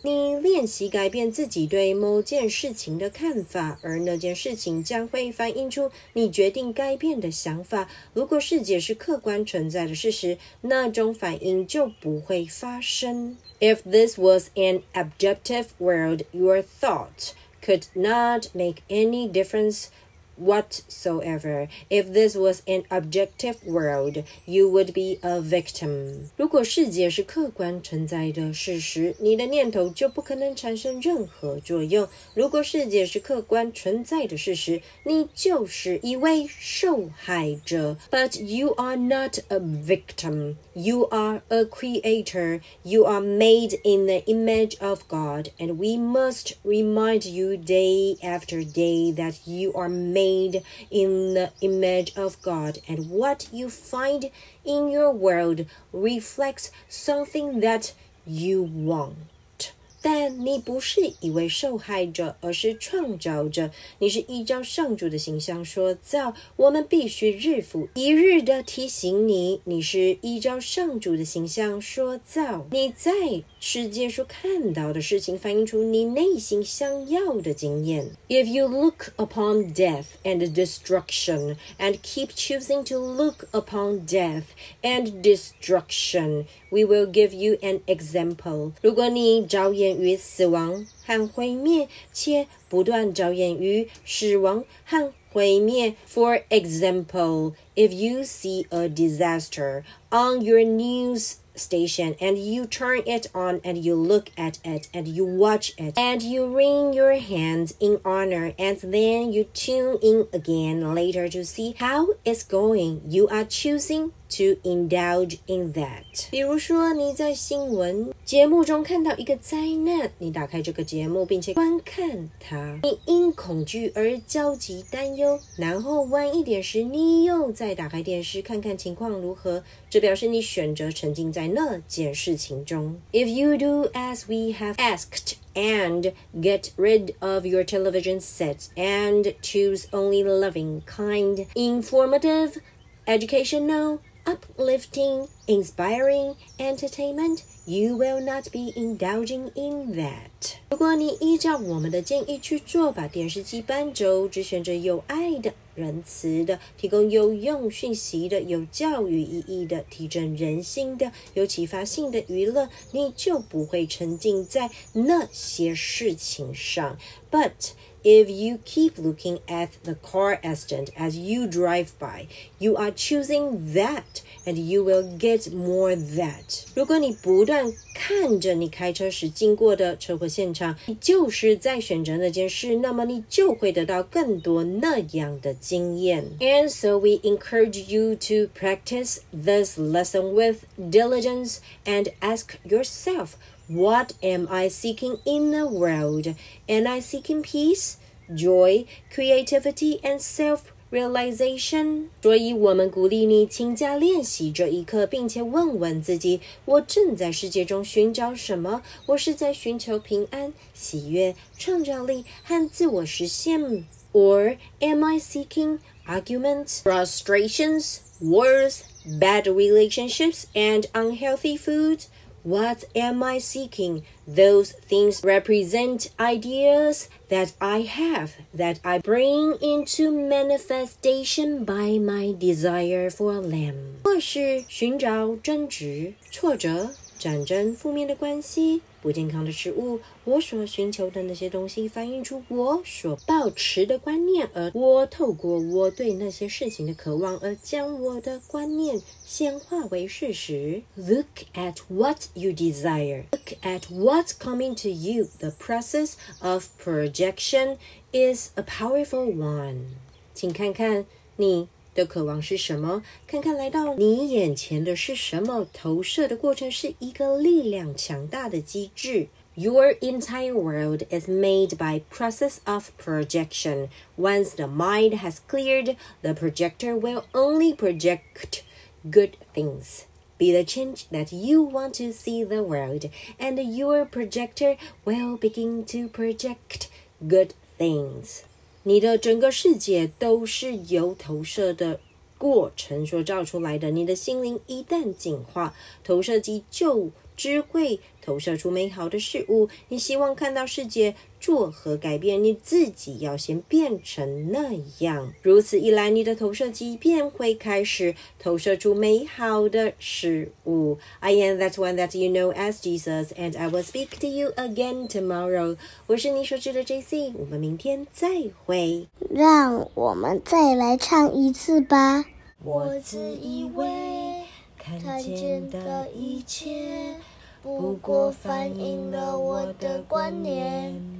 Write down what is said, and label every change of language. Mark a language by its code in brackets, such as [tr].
[zh] 你练习改变自己对某件事情的看法，而那件事情将会反映出你决定改变的想法。如果世界是客观存在的事实，那种反应就不会发生。 [en] If this was an objective world, your thought could not make any difference whatsoever. If this was an objective world, you would be a victim. [zh] 如果世界是客观存在的事实，你的念头就不可能产生任何作用。如果世界是客观存在的事实，你就是一位受害者。 [en] But you are not a victim. You are a creator. You are made in the image of God, and we must remind you day after day that you are made in the image of God, and what you find in your world reflects something that you want. [zh] 但你不是一位受害者，而是创造者。你是依照上主的形象塑造。我们必须日复一日的提醒你，你是依照上主的形象塑造。你在世界所看到的事情反映出你内心想要的经验。 [en] If you look upon death and destruction and keep choosing to look upon death and destruction, we will give you an example. [zh] 如果你着眼于死亡和毁灭，且不断着眼于死亡和毁灭。 [en] For example, if you see a disaster on your news station and you turn it on and you look at it and you watch it and you wring your hands in honor and then you tune in again later to see how it's going, you are choosing to indulge in that. [zh] 比如说你在新闻节目中看到一个灾难，你打开这个节目并且观看它，你因恐惧而焦急担忧，然后晚一点时你又再打开电视看看情况如何，这表示你选择沉浸在那件事情中。 [en] If you do as we have askedAnd get rid of your television sets and choose only loving, kind, informative, educational, uplifting, inspiring entertainment, you will not be indulging in that. [zh] 如果你依照我们的建议去做，把电视机搬走，只选择有爱的、仁慈的、提供有用讯息的、有教育意义的、提振人心的、有启发性的娱乐，你就不会沉浸在那些事情上。 [en] But if you keep looking at the car accident as you drive by, you are choosing that and you will get more that. [zh] 如果你不断看着你开车时经过的车祸现场，你就是在选择那件事，那么你就会得到更多那样的经验。 [en] And so we encourage you to practice this lesson with diligence and ask yourself, What am I seeking in the world? Am I seeking peace, joy, creativity, and self-realization? [zh] 所以我们鼓励你勤加练习这一课，并且问问自己，我正在世界中寻找什么？我是在寻求平安、喜悦、创造力和自我实现。 [en] Or am I seeking arguments, frustrations, wars, bad relationships, and unhealthy food? What am I seeking? Those things represent ideas that I have, that I bring into manifestation by my desire for them. [zh] 或是寻找争执、挫折、战争、负面的关系、不健康的食物，我所寻求的那些东西反映出我所抱持的观念，而我透过我对那些事情的渴望而将我的观念显化为事实。 [en] Look at what you desire. Look at what's coming to you. The process of projection is a powerful one. [zh] 请看看你的渴望是什么，看看来到你眼前的是什么，投射的过程是一个力量强大的机制。 [en] Your entire world is made by process of projection. Once the mind has cleared, the projector will only project good things. be the change that you want to see the world, and your projector will begin to project good things. [zh] 你的整个世界都是由投射的过程所照出来的，你的心灵一旦进化，投射机就只会投射出美好的事物。你希望看到世界作何改变，你自己要先变成那样。如此一来，你的投射机便会开始投射出美好的事物。 [en] I am that one that you know as Jesus, and I will speak to you again tomorrow. [zh] 我是你所知的 JC, 我们明天再会。让我们再来唱一次吧。我自以为看见的一切不过反映了我的观念。